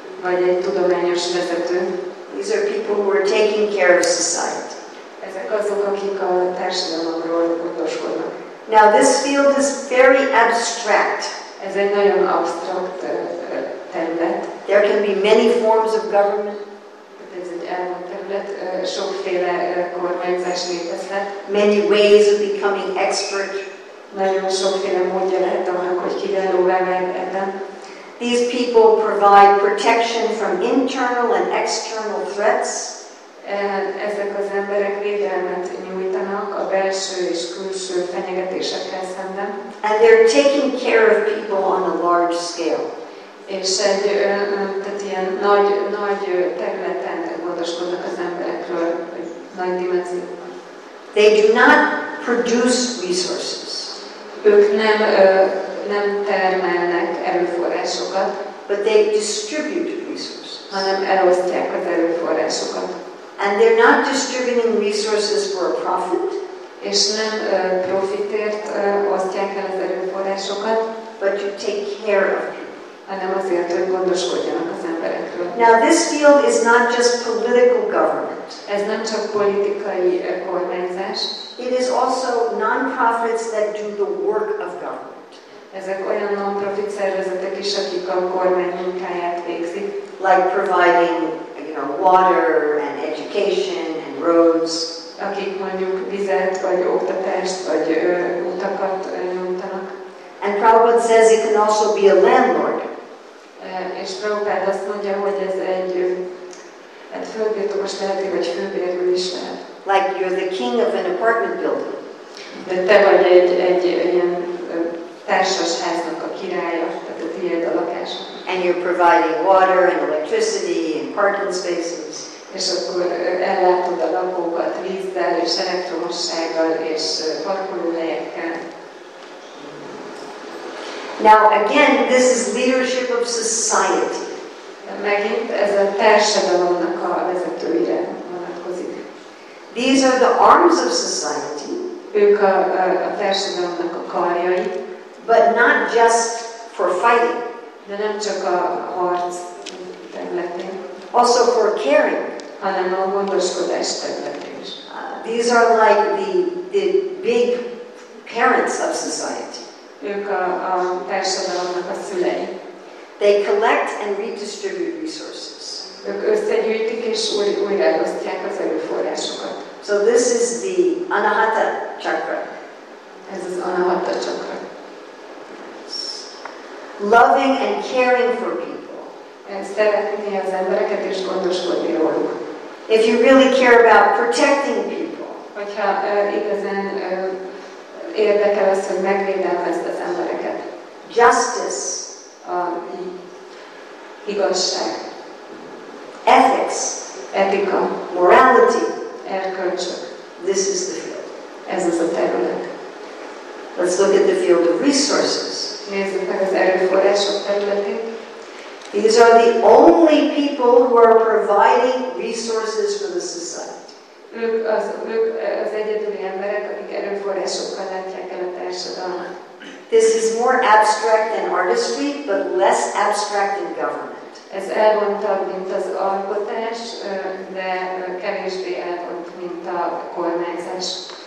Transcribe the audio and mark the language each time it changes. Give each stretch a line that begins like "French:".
Hungarian: Vagy egy tudományos vezető.
English: These are people who are taking care of society.
Hungarian: Ezek azok, akik a társadalomról gondoskodnak.
English: Now this field is very abstract.
Hungarian: Ez egy nagyon absztrakt terület.
English: There can be many forms of government.
Hungarian: Ez egy elvont terület, sokféle kormányzás létezhet.
English: Many ways of becoming expert.
Hungarian: Nagyon sokféle módja lehet annak, hogy kiválóvá válj ebben.
English: These people provide protection from internal and external threats.
Hungarian: Ezek az emberek védelmet nyújtanak a belső és külső fenyegetésekkel szemben.
English: And they're taking care of people on a large scale.
Hungarian: És egy, tehát ilyen nagy területen gondoskodnak az emberekről, nagy dimenzióban.
English: They do not produce resources.
Hungarian: Ők nem termelnek erőforrásokat,
English: but they distribute resources.
Hungarian: Hanem elosztják az erőforrásokat.
English: And they're not distributing resources for a profit.
Hungarian: És nem profitért osztják el az erőforrásokat.
English: But you take care of people.
Hungarian: Hanem azért, hogy gondoskodjanak az emberekről.
English: Now this field is not just political government.
Hungarian: Ez nem csak politikai kormányzás.
English: It is also non-profits that do the work of government.
Hungarian: Ezek olyan non-profit szervezetek is, akik a kormány munkáját végzik.
English: Like providing, water and education and roads.
Hungarian: Akik mondjuk vizet vagy oktatást vagy utakat nyújtanak.
English: And Prabhupada says it can also be a landlord.
Hungarian: És Prabhupada azt mondja, hogy ez egy fölbirtokos lehet, vagy fölbérlő is lehet.
English: Like you're the king of an apartment building.
Hungarian: De te vagy egy ilyen társas háznak a királya, tehát a tiéd a lakás.
English: And you're providing water and electricity and parking spaces.
Hungarian: És akkor ellátod a lakókat vízzel és elektromossággal és parkolóhelyekkel.
English: Now again, this is leadership of society.
Hungarian: Megint ez a társadalomnak a vezetőire vonatkozik.
English: These are the arms of society.
Hungarian: Ők a társadalomnak a karjai.
English: But not just for fighting.
Hungarian: De nem csak a harc területén.
English: Also for caring.
Hungarian: Hanem a gondoskodás területén.
English: These are like the big parents of society.
Hungarian: Ők a társadalomnak a szülei.
English: They collect and redistribute resources.
Hungarian: Ők összegyűjtik és újraelosztják az erőforrásokat.
English: So this is the Anahata chakra.
Hungarian: Ez az Anahata chakra.
English: Loving and caring for people.
Hungarian: Én szeretni az embereket és gondoskodni róluk.
English: If you really care about protecting people.
Hungarian: Hogyha igazán érdekel az, hogy megvédelmezd az embereket.
English: Justice.
Hungarian: Igazság.
English: Ethics.
Hungarian: Etika.
English: Morality.
Hungarian: Erkölcsök.
English: This is the field.
Hungarian: Ez az a terület.
English: Let's look at the field of resources.
Hungarian: Nézzük meg az erőforrások területét.
English: These are the only people who are providing resources for the society.
Hungarian: Ők az egyedüli emberek, akik erőforrásokkal látják el a társadalmat.
English: This is more abstract than artistry, but less abstract than government.
Hungarian: Ez elvontabb, mint az alkotás, de kevésbé elvont, mint a kormányzás.